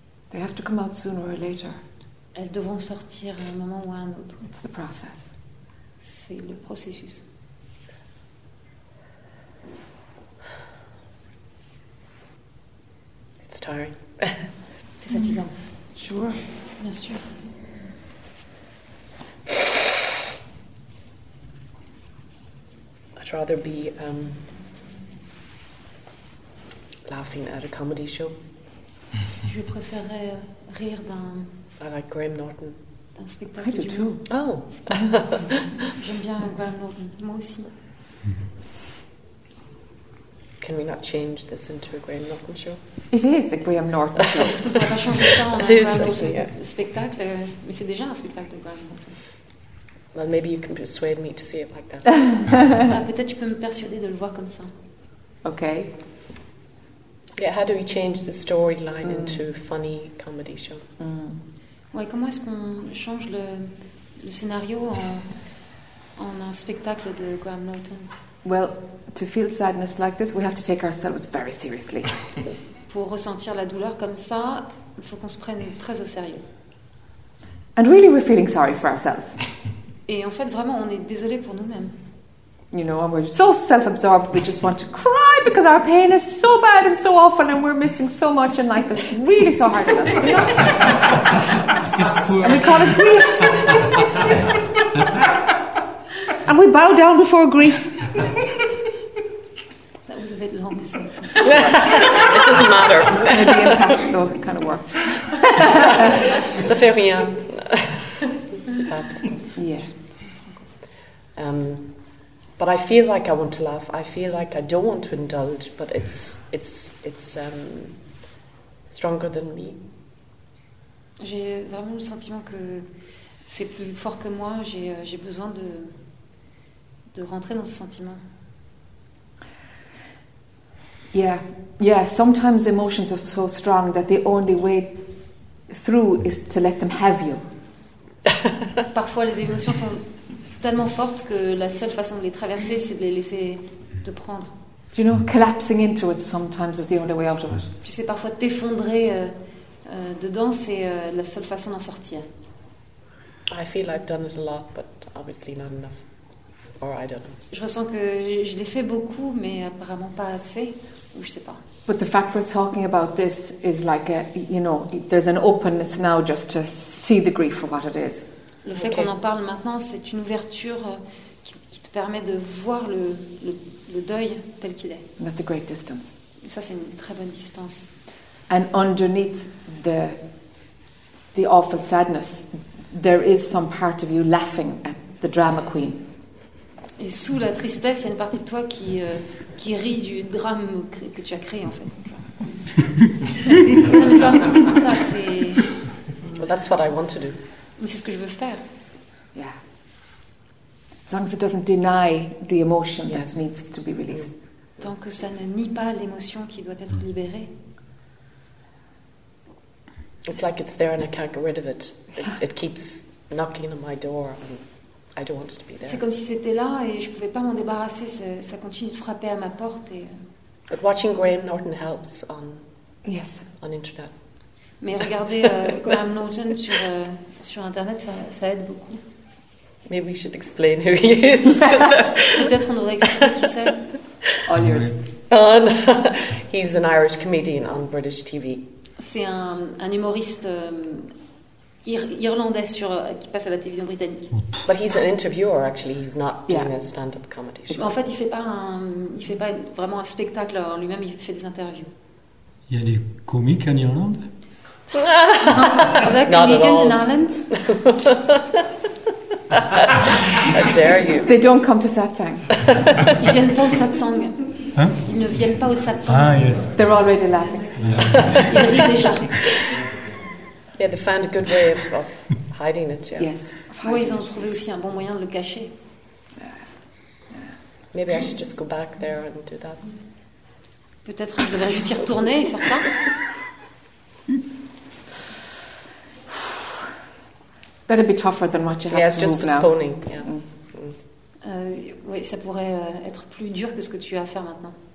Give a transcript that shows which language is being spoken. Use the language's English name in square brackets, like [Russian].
[English] They have to come out sooner or later. [French] Elles devront sortir à un moment ou à un autre. [English] It's the process. [French] C'est le processus. [English] It's tiring. [French] C'est fatigant. [English] Sure. [French] Bien sûr. [English] I'd rather be laughing at a comedy show. [French] Je préférerais rire d'un. [English] I like Graham Norton. [French] D'un spectacle. [English] I do too. Oh. [French] J'aime bien Graham Norton. Moi aussi. [English] Can we not change this into a Graham Norton show? It is a Graham Norton show. [French] Est-ce qu'on pourrait pas changer ça en Graham Norton spectacle? Mais c'est déjà un spectacle de Graham Norton. [English] Well, maybe you can persuade me to see it like that. [French] Ah, peut-être tu peux me persuader de le voir comme ça. [English] Okay. Yeah, how do we change the storyline into a funny comedy show? [French] Ouais, comment est-ce qu'on change le scénario en un spectacle de Graham Norton? [English] Well, to feel sadness like this, we have to take ourselves very seriously. [French] Pour ressentir la douleur comme ça, il faut qu'on se prenne très au sérieux. [English] And really, we're feeling sorry for ourselves. [French] Et en fait, vraiment, on est désolé pour nous-mêmes. [English] You know, and we're so self-absorbed, we just want to cry because our pain is so bad and so awful, and we're missing so much, and life is really so hard on us. You know? And we call it grief. And we bow down before grief. That was a bit long, isn't it? It doesn't matter. It was kind of the impact, though. It kind of worked. [French] Ça fait rien. C'est pas. Yeah. [English] But I feel like I want to laugh. I feel like I don't want to indulge, but it's stronger than me. [French] J'ai vraiment le sentiment que c'est plus fort que moi. J'ai besoin de rentrer dans ce sentiment. [English] Yeah. Sometimes emotions are so strong that the only way through is to let them have you. [French] Parfois, les émotions sont tellement forte que la seule façon de les traverser, c'est de les laisser te prendre. [English] You know, collapsing into it sometimes is the only way out of it. [French] Tu sais, parfois t'effondrer dedans, c'est la seule façon d'en sortir. [English] I feel I've done it a lot, but obviously not enough. Or I don't know. [French] Je ressens que je l'ai fait beaucoup, mais apparemment pas assez, ou je sais pas. [English] But the fact we're talking about this is like, you know, there's an openness now just to see the grief for what it is. [French] Le fait qu'on en parle maintenant, c'est une ouverture qui te permet de voir le deuil tel qu'il est. [English] That's a great distance. [French] Et ça, c'est une très bonne distance. [English] And underneath the awful sadness, there is some part of you laughing at the drama queen. [French] Et sous la tristesse, il y a une partie de toi qui rit du drame que tu as créé, en fait. Non, mais ça, c'est... [English] Well, that's what I want to do. [French] Mais c'est ce que je veux faire. [English] Yeah. As long as it doesn't deny the emotion that needs to be released. [French] Tant que ça ne nie pas l'émotion qui doit être libérée. [English] It's like it's there and I can't get rid of it. It keeps knocking on my door and I don't want it to be there. [French] C'est comme si c'était là et je pouvais pas m'en débarrasser. Ça continue de frapper à ma porte et. [English] But watching Graham Norton helps on. Yes. On internet. [French] Mais regarder Graham Norton sur internet, ça aide beaucoup. [English] Maybe we should explain who he is. [French] Peut-être on devrait expliquer qui c'est. [English] On he's an Irish comedian on British TV. [French] C'est un humoriste irlandais qui passe à la télévision britannique. [English] But he's an interviewer actually, he's not doing a stand-up comedy show. [French] En fait, il fait pas vraiment un spectacle en lui-même, il fait des interviews. Il y a des comiques en Irlande? [English] Are there comedians in Ireland? How dare you? They don't come to satsang. [French] Ils viennent pas au satsang. Hein? Ils ne viennent pas au satsang. [English] Ah, yes. They're already laughing. [French] Ils rient déjà. [English] Yeah, they found a good way of hiding it, yeah. Yes. [French] Oui, ils ont trouvé aussi un bon moyen de le cacher. [English] Maybe I should just go back there and do that. [French] Peut-être que je devrais juste y retourner et faire ça. [English] That'd be tougher than what you have to move now. Yeah, just postponing. [French] Oui, ça pourrait être plus dur que ce que tu as à faire maintenant.